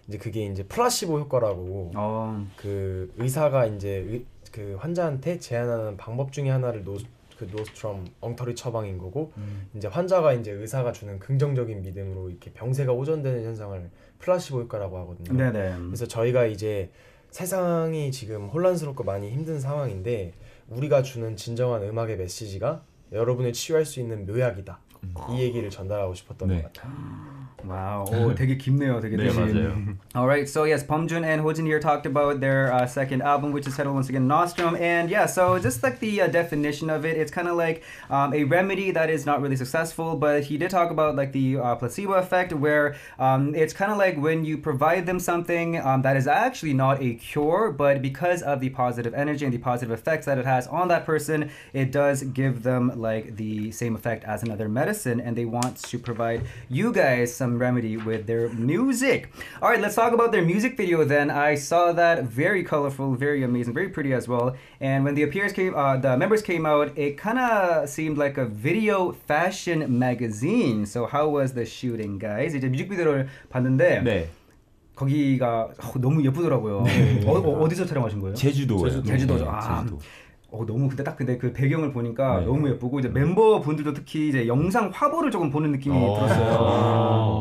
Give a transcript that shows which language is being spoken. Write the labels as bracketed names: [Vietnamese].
[Korean] 이제 그게 이제 플라시보 효과라고 그 의사가 이제 그 환자한테 제안하는 방법 중에 하나를 그 노스트럼 엉터리 처방인 거고 이제 환자가 이제 의사가 주는 긍정적인 믿음으로 이렇게 병세가 호전되는 현상을 플라시보 효과라고 하거든요. 네네. 그래서 저희가 이제 세상이 지금 혼란스럽고 많이 힘든 상황인데 우리가 주는 진정한 음악의 메시지가 여러분을 치유할 수 있는 묘약이다. 이 얘기를 전달하고 싶었던 네. 것 같아요. 와우, 되게 깊네요, 되게 네, 맞아요. [English] All right, so yes, Pumjun and Hojin here talked about their second album, which is titled once again Nostrum. And yeah, so just like the definition of it, it's kind of like a remedy that is not really successful. But he did talk about like the placebo effect, where it's kind of like when you provide them something that is actually not a cure, but because of the positive energy and the positive effects that it has on that person, it does give them like the same effect as another medicine, and they want to provide you guys some remedy with their music. All right, let's talk about their music video then. I saw that very colorful, very amazing, very pretty as well. And when the members came out, it kind of seemed like a video fashion magazine. So how was the shooting, guys? [Korean] 이제 뮤직비디오를 봤는데 네. 거기가 너무 예쁘더라고요. 어디서 촬영하신 거예요? 제주도요. 제주도죠. 네, 아. 제주도. 너무 근데 그 배경을 보니까 네. 너무 예쁘고 이제 멤버 분들도 특히 이제 영상 화보를 조금 보는 느낌이 들었어요.